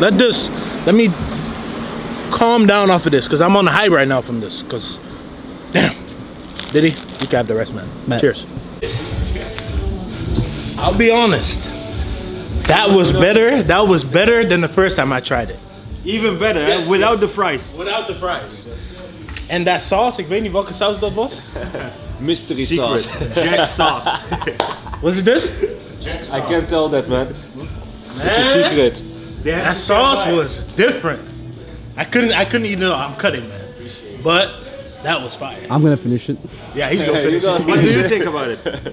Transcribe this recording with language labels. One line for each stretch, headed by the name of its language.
English: Let me calm down off of this because I'm on the high right now from this. Because, damn. Diddy, you can have the rest, man. Matt. Cheers. I'll be honest. That was better than the first time I tried it. Even better, yes, right? Without the fries. Without the fries. And that sauce,
Dutch: ik weet niet welke saus dat was.
English: Mystery sauce. Jack sauce. Was it this? Jack sauce. I can't tell that, man. It's a secret. That sauce was different. I couldn't eat it all. I'm cutting, man. Appreciate but that was fire. I'm gonna finish it. Yeah, he's gonna finish it. What do you think about it?